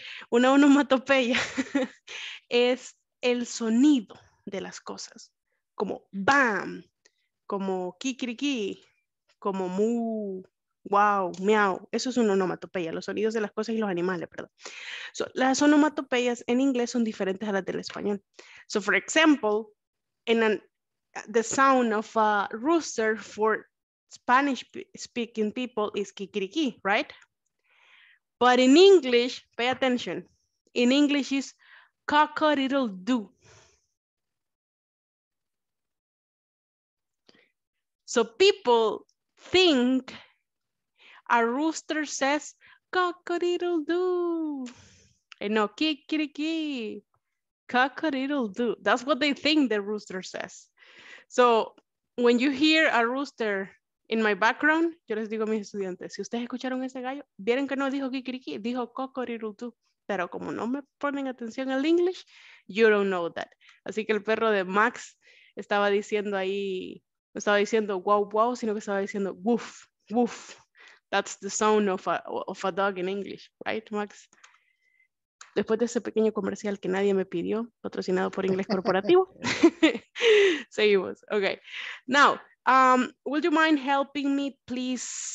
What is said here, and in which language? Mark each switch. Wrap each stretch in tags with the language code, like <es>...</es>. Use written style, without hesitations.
<es>Una onomatopeya es el sonido de las cosas, como bam, como kikiriki, como mu, wow, miau, eso es una onomatopeya, los sonidos de las cosas y los animales, perdón. So, las onomatopeyas en inglés son diferentes a las del español.</es> <en>So, for example, in the sound of a rooster for Spanish speaking people is kikiriki, right? But in English, pay attention. In English is cock-a-doodle-doo. So people think a rooster says cock-a-doodle-doo. And no, kikiriki, cock-a-doodle-doo. That's what they think the rooster says. So when you hear a rooster in my background,</en> <es>yo les digo a mis estudiantes, si ustedes escucharon ese gallo, vieron que no dijo kikiriki, dijo cocorirutu. Pero como no me ponen atención al English,</es> <en>you don't know that.</en> <es>Así que el perro de Max estaba diciendo ahí, no estaba diciendo wow, wow, sino que estaba diciendo woof, woof.</es> <en>That's the sound of a dog in English, right, Max?</en> <es>Después de ese pequeño comercial que nadie me pidió, patrocinado por Inglés Corporativo, seguimos.</es> <en>Okay, now, would you mind helping me, please?</en>